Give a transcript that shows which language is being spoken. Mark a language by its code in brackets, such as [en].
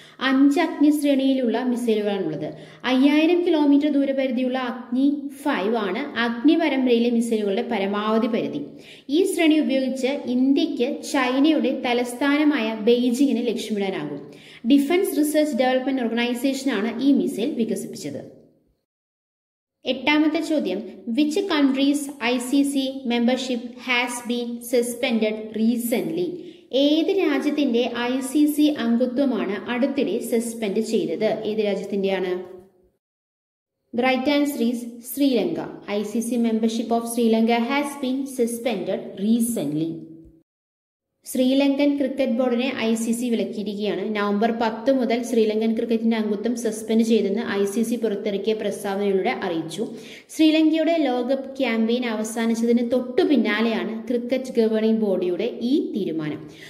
[ml] അഞ്ച് അഗ്നി ശ്രേണിയിലുള്ള മിസൈലുകളാണുള്ളത്. 5000 കിലോമീറ്റർ ദൂരപരിധിയുള്ള അഗ്നി 5 ആണ് അഗ്നി പരമ്പരയിലെ മിസൈലുകളുടെ പരമാവധി പരിധി. ഈ ശ്രേണി ഉപയോഗിച്ച് ഇന്ത്യക്ക് ചൈനയുടെ തലസ്ഥാനമായ ബെയ്ജിങ്ങിനെ ലക്ഷ്യമിടാനാകും. ഡിഫൻസ് റിസർച്ച് ഡെവലപ്മെന്റ് ഓർഗനൈസേഷനാണ് ഈ മിസൈൽ വികസിപ്പിച്ചത്. [en] 8th question, which country's ICC membership has been suspended recently? [ml] ഏത് രാജ്യത്തിന്റെ ICC അംഗത്വമാണ് അടുത്തിടെ സസ്പെൻഡ് ചെയ്തത്? ഏത് രാജ്യത്തിന്റെയാണ്? [en] The right answer is Sri Lanka. ICC membership of Sri Lanka has been suspended recently. [ml] Sri Lankan cricket ബോർഡിനെ ICC വിലക്കിയിരിക്കുകയാണ്. November 10 മുതൽ ശ്രീലങ്കൻ ക്രിക്കറ്റിന്റെ അംഗത്വം suspend ചെയ്തെന്ന് ICC പുറത്തിറക്കിയ പ്രസ്താവനയിലൂടെ അറിയിച്ചു. ശ്രീലങ്കയുടെ ലോകകപ്പ് ക്യാമ്പയിൻ അവസാനിച്ചതിന് തൊട്ടു പിന്നാലെയാണ് ക്രിക്കറ്റ് ഗവേണിംഗ് ബോഡിയുടെ ഈ തീരുമാനം.